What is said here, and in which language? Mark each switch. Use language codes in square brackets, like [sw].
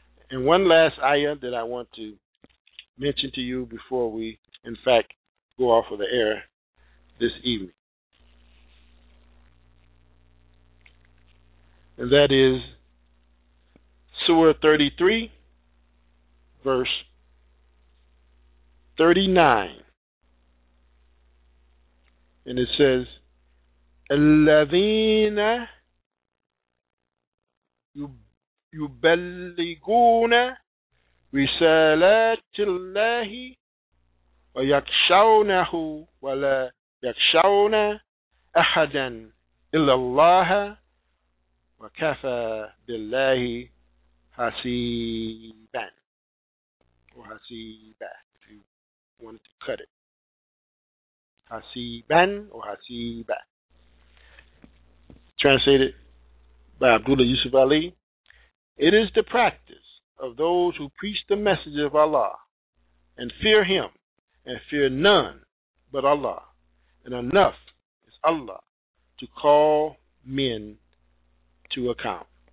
[en] And one last ayah that I want to mention to you before we, in fact, go off of the air this evening. And that is Surah 33, verse 39. And it says, الَّذِينَ [ar] يُبَلِّغُونَ رِسَالَاتِ اللَّهِ وَيَخْشَوْنَهُ وَلَا يَخْشَوْنَ أَحَدًا إِلَّا اللَّهَ وَكَفَى بِاللَّهِ حَسِيبًا. [en] Or حَسِيبًا, if you wanted to cut it. [ar] حَسِيبًا or حَسِيبًا. [en] Translated by Abdullah Yusuf Ali, it is the practice of those who preach the message of Allah and fear Him and fear none but Allah. And enough is Allah to call men to account.